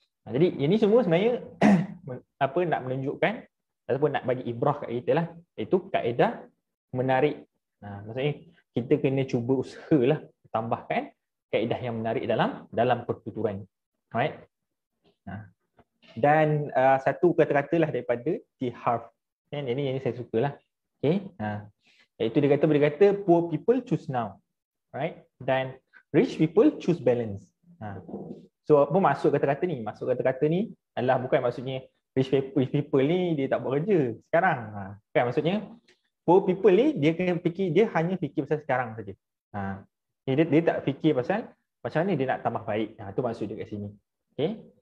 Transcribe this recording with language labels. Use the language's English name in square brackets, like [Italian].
[Malay] Jadi ini semua sebenarnya apa nak menunjukkan ataupun nak bagi ibrah kat kita lah, itu kaedah menarik. Maksudnya kita kena cuba usahalah tambahkan kaedah yang menarik dalam pertuturan. Alright? Dan satu kata-katalah daripada T. Harf. Kan ini saya sukalah. Okey. Itu dia kata, [English] poor people choose now, right? Dan rich people choose balance. [Malay] So apa maksud kata-kata ni? Maksud kata-kata ni adalah bukan maksudnya [English] rich people [Malay] ni dia tak buat kerja sekarang. Kan maksudnya [English] poor people [Malay] ni dia kena fikir, dia hanya fikir pasal sekarang saja. Dia tak fikir pasal macam mana dia nak tambah baik. Itu maksud dia kat sini. Okay?